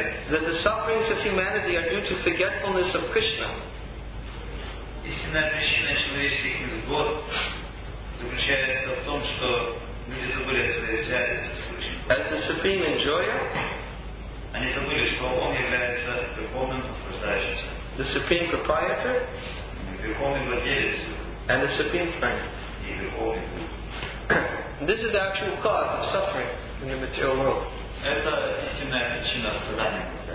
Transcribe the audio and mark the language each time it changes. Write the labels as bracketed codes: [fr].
[en] That the sufferings of humanity are due to forgetfulness of Krishna. [ru] Истинная причина человеческих невзгод заключается в том, что люди забыли о своей связи с Кришной. [en] As the supreme enjoyer, [ru] они забыли, что он является верховным наслаждающимся. [en] The supreme proprietor, [ru] верховный владелец. [en] And the supreme friend, [ru] и верховный друг. [en] This is the actual cause of suffering in the material world. [ru] Это истинная причина страдания.